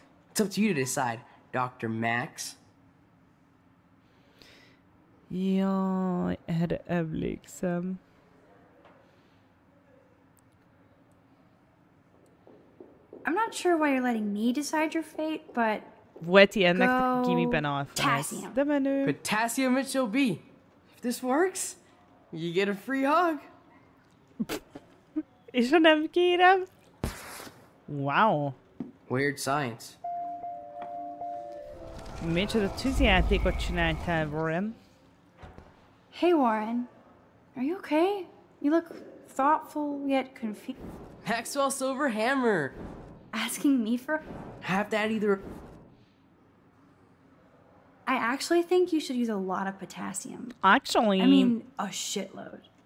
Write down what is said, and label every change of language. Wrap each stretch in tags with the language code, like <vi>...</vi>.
<en>It's up to you to decide, Dr. Max.</en> <hu>Yeah, erre emlékszem.</hu> <en>I'm not sure why you're letting me decide your fate, but.</en> <hu>Volt ilyennek gimiben alfánsz. De menő.</hu> <en>Potassium it shall be. If this works, you get a free hug.</en> <hu>És ha nem kérem? Wow.</hu> <en>Weird science.</en> <hu>Micsoda tűzjátékot csináltál, Warren.</hu> <en>Hey, Warren. Are you okay? You look thoughtful yet confused. Maxwell Silverhammer. Asking me for... Have that either... I actually think you should use a lot of potassium. Actually. I mean, a shitload.</en>